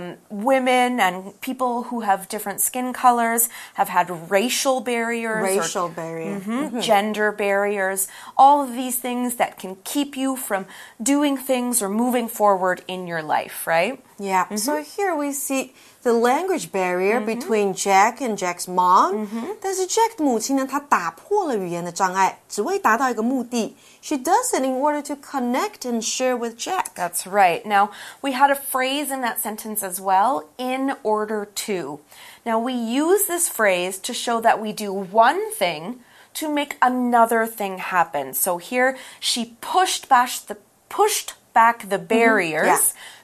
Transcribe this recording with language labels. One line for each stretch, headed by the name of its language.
English: Women and people who have different skin colors have had racial barriers. Gender barriers. All of these things that can keep you from doing things or moving forward in your life, right? Yeah, so here we see the language barrier between Jack and Jack's mom.
Chinese: 但是 Jack 的母亲呢，她打破了语言的障碍，只为达到一个目的。
English: She does it in order to connect and share with Jack. That's right. Now, we had a phrase in that sentence as well, in order to. Now, we use this phrase to show that we do one thing to make another thing happen. So here, she pushed back the barriers.